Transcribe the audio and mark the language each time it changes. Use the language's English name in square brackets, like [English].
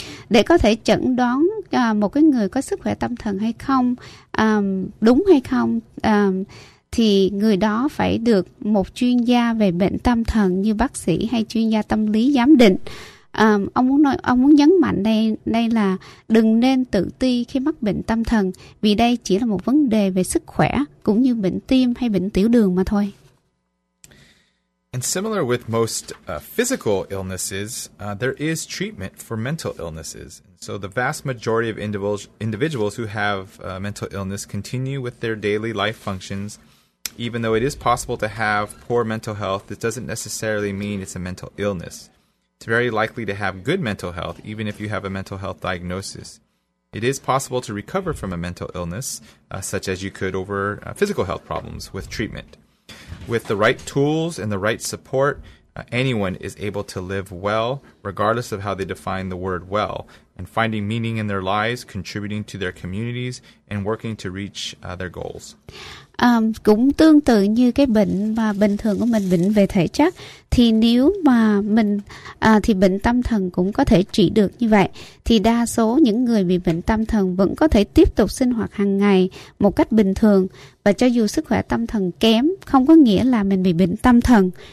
[Vietnamese] Để có thể chẩn đoán một cái người có sức khỏe tâm thần hay không, đúng hay không, thì người đó phải được một chuyên gia về bệnh tâm thần như bác sĩ hay chuyên gia tâm lý giám định. Ông muốn nhấn mạnh đây là đừng nên tự ti khi mắc bệnh tâm thần, vì đây chỉ là một vấn đề về sức khỏe cũng như bệnh tim hay bệnh tiểu đường mà thôi. [English] And similar with most physical illnesses, there is treatment for mental illnesses. So the vast majority of individuals who have mental illness continue with their daily life functions. Even though it is possible to have poor mental health, this doesn't necessarily mean it's a mental illness. It's very likely to have good mental health, even if you have a mental health diagnosis. It is possible to recover from a mental illness, such as you could over physical health problems, with treatment. With the right tools and the right support, anyone is able to live well, regardless of how they define the word well, and finding meaning in their lives, contributing to their communities, and working to reach their goals. [Vietnamese] Cũng tương tự như cái bệnh mà bình thường của mình, bệnh về thể chất, thì nếu mà mình thì bệnh tâm thần cũng có thể trị được như vậy. Thì đa số những người bị bệnh tâm thần vẫn có thể tiếp tục sinh hoạt hàng ngày một cách bình thường, và cho dù sức khỏe tâm thần kém không có nghĩa là mình bị bệnh tâm thần.